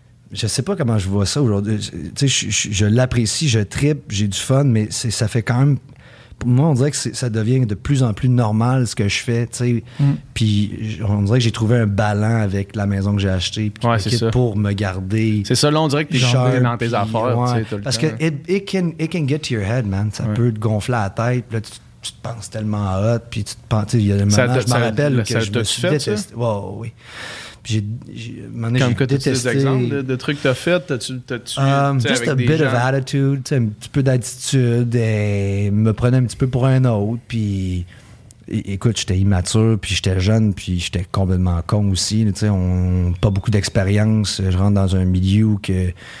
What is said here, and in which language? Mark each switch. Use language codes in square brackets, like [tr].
[fr] Je sais pas comment je vois ça aujourd'hui. Tu sais, je l'apprécie, je trippe, j'ai du fun, mais ça fait quand même. Pour moi, on dirait que ça devient de plus en plus normal ce que je fais, tu sais. Mm. Puis on dirait que j'ai trouvé un balan avec la maison que j'ai achetée pour me garder. C'est ça, là, on dirait que t'es genre dans tes affaires, tout le temps. Parce que [en] it can get to your head, man. [fr] Ça peut te gonfler la tête. Puis là, tu te penses tellement hot. Puis tu te penses, tu sais, il y a le moment, je me rappelle que je me suis détesté. Wow, oui. Puis j'ai des exemples de trucs que t'as fait, t'as-tu [en] just a bit of attitude, [fr] un petit peu d'attitude, et me prenait un petit peu pour un autre, puis écoute, j'étais immature, puis j'étais jeune, puis j'étais complètement con aussi, tu sais, on pas beaucoup d'expérience, je rentre dans un milieu que